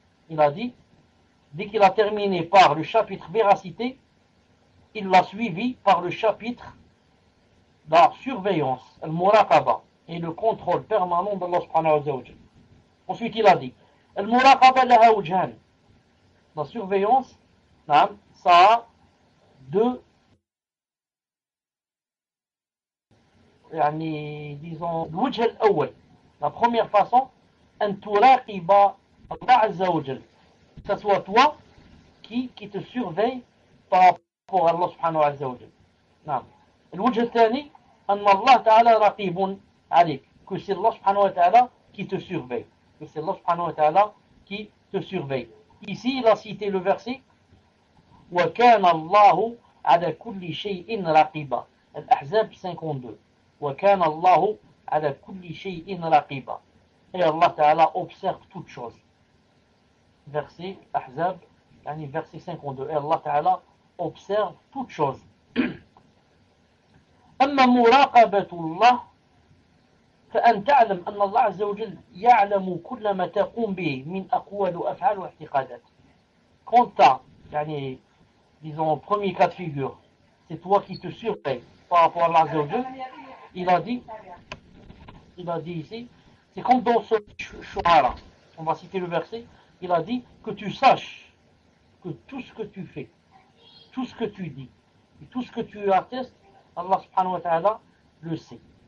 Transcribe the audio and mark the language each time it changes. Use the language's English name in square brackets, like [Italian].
[French] Il a dit, dès qu'il a terminé par le chapitre véracité, il l'a suivi par le chapitre la surveillance, المراقبة, et le contrôle permanent d'Allah subhanahu wa ta'ala. Ensuite, il a dit, [Arabic] المراقبة لها وجهان. [French] La surveillance, نعم, ça a deux, يعني, disons, [Arabic] الوجه الأول. [French] La première façon, [Arabic] أن تراقب الله عز وجل. [French] Que ce soit toi qui te surveille par rapport à Allah subhanahu wa ta'ala. [Arabic] نعم. الوجه الثاني, أن الله تعالى رقيب عليك. [French] Que c'est Allah subhanahu wa ta'ala qui te surveille. Que c'est Allah subhanahu wa ta'ala qui te surveille. Ici, il a cité le verset. [Arabic] وكان الله على كل شيء رقيبا. الأحزاب 52. وكان الله على كل شيء رقيبا. [French] Et Allah Ta'ala observe toute chose. Verset Ahzab, yani verset 52. Et Allah Ta'ala observe toute chose. [Arabic] أما مراقبة الله فأن تعلم أن الله عز وجل يعلم كل ما تقوم به من أقوال وأفعال واعتقادات. [French] Quant à, yani, disons, premier cas de figure, c'est toi qui te surveilles par rapport à Allah عز وجل. Il a dit ici, c'est comme dans ce Shu'ara, on va citer le verset, il a dit que tu saches que tout ce que tu fais, tout ce que tu dis, et tout ce que tu attestes, Allah subhanahu wa ta'ala le sait.